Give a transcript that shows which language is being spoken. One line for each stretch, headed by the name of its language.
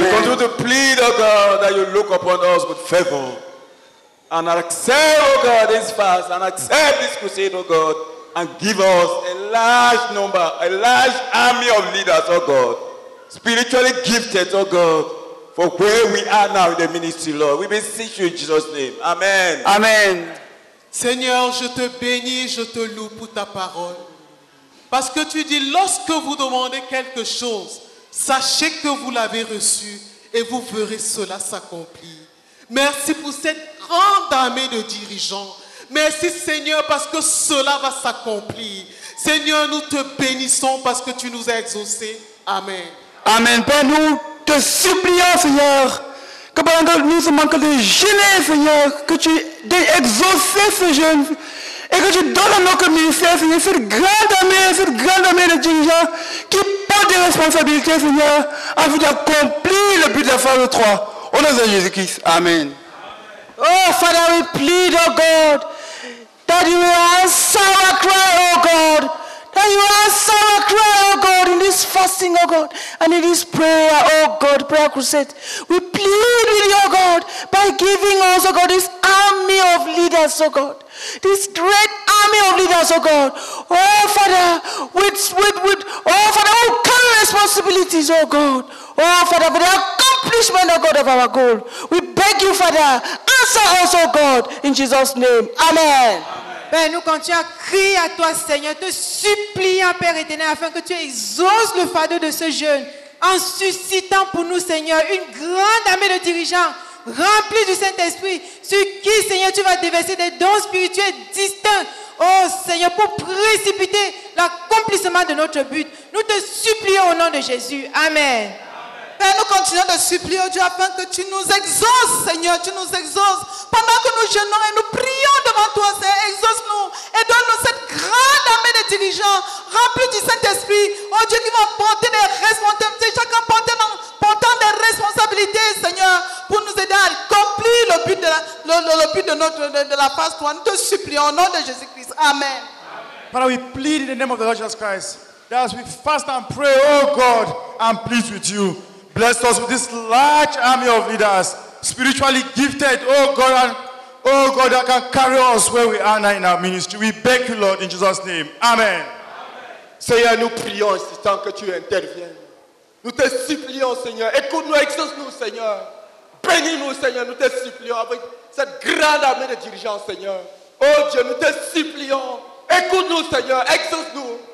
English: We continue to plead, oh God, that you look upon us with favor and accept, oh God, this fast and accept this crusade, oh God, and give us a large number, a large army of leaders, oh God, spiritually gifted, oh God, for where we are now in the ministry, Lord. We beseech you in Jesus' name. Amen. Amen.
French: Seigneur, je te bénis, je te loue pour ta parole. Parce que tu dis, lorsque vous demandez quelque chose, sachez que vous l'avez reçu et vous verrez cela s'accomplir. Merci pour cette grande armée de dirigeants. Merci, Seigneur, parce que cela va s'accomplir. Seigneur, nous te bénissons parce que tu nous as exaucés. Amen. Amen. Bénis-nous. Te supplions, Seigneur, que pendant que nous sommes en train de jeûner, Seigneur, que tu exauces ce jeûne et que tu donnes à notre ministère, Seigneur, cette grande armée de dirigeants qui portent des responsabilités, Seigneur, afin d'accomplir le but de la phase 3. Au nom de Jésus-Christ. Amen.
English: Amen. Oh, Father, we plead, oh God, that you answer our cry, oh God. That you answer our cry, oh God, in this fasting, oh God, and in this prayer, oh God, prayer crusade. We plead with you, oh God, by giving us, oh God, this army of leaders, oh God. This great army of leaders, oh God. Oh Father, oh Father, all kind of responsibilities, oh God. Oh Father, for the accomplishment, oh God, of our goal. We beg you, Father, answer us, oh God, in Jesus' name. Amen.
French: Père, nous continuons à crier à toi, Seigneur, te suppliant, Père éternel, afin que tu exauces le fardeau de ce jeûne, en suscitant pour nous, Seigneur, une grande armée de dirigeants remplis du Saint-Esprit, sur qui, Seigneur, tu vas déverser des dons spirituels distincts, oh Seigneur, pour précipiter l'accomplissement de notre but. Nous te supplions au nom de Jésus. Amen. Père, nous continuons de supplier, Dieu, afin que tu nous exauces, Seigneur, tu nous exauces. Pendant que nous jeûnons et nous prions devant toi, Seigneur, exauce-nous et donne-nous cette grande armée de dirigeants remplis du Saint-Esprit. Oh Dieu, qui vont porter des responsabilités, chacun portant des responsabilités, Seigneur, pour nous aider à accomplir le but de la phase 3. Nous te supplions au nom de Jésus-Christ. Amen.
English: Father, we plead in the name of the Lord Jesus Christ. That as we fast and pray, oh God, I'm pleased with you. Bless us with this large army of leaders, spiritually gifted, oh God, and oh God, that can carry us where we are now in our ministry. We beg you, Lord, in Jesus' name. Amen.
French: Seigneur, nous prions ici tant que tu interviennes. Nous te supplions, Seigneur. Écoute-nous, exauce-nous, Seigneur. Bénis-nous, Seigneur. Nous te supplions avec cette grande armée de dirigeants, Seigneur. Oh Dieu, nous te supplions. Écoute-nous, Seigneur. Exauce-nous.